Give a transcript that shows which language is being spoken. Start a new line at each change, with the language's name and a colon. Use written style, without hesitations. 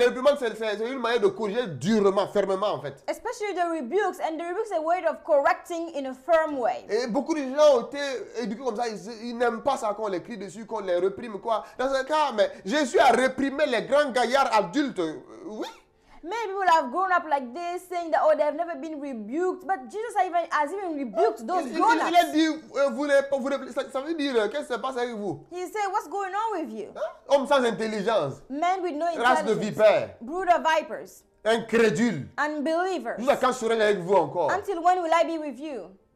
French: Les réprimandes, c'est une manière de corriger durement, fermement en fait.
English: Especially the rebukes, and the rebukes are a way of correcting in a firm way.
French: Et beaucoup de gens ont été éduqués comme ça. Ils n'aiment pas ça qu'on les crie dessus, qu'on les réprime quoi. Dans ce cas, mais Jésus a réprimé les grands gaillards adultes. Oui.
English: Many people have grown up like this, saying that, oh, they've never been rebuked. But Jesus has even rebuked those grown-ups.
French: Il a dit, vous, ça veut dire, qu'est-ce qui se passe avec vous?
English: He said, what's going on with you?
French: Homme sans intelligence.
English: Men with no intelligence.
French: Race de vipères.
English: Brood of vipers.
French: Incrédules.
English: Unbelievers.
French: Jusqu'à quand serai-je avec vous encore?
English: Until when will I be with you?